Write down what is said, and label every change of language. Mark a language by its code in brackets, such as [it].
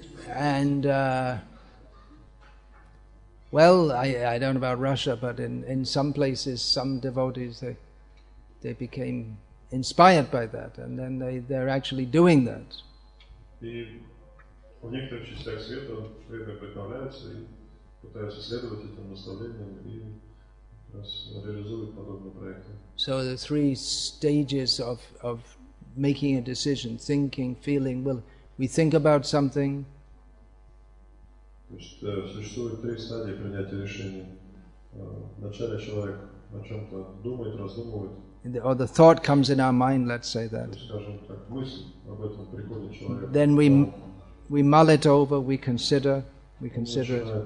[en] And, well, I don't know about Russia, but in some places, some devotees, they became inspired by that, and then they're actually doing that. [ru] В некоторых частях света преданные приготовляются и пытаются следовать этим наставлениям и реализовывать подобные проекты. [en] So the three stages of making a decision, thinking, feeling, well, we think about something. [ru] То есть существует три стадии принятия решения. Вначале человек о чем-то думает, раздумывает. [en] Or the thought comes in our mind, let's say that. [ru] Скажем так, мысль об этом приходит человеку. [en] Then we mull it over, we consider it.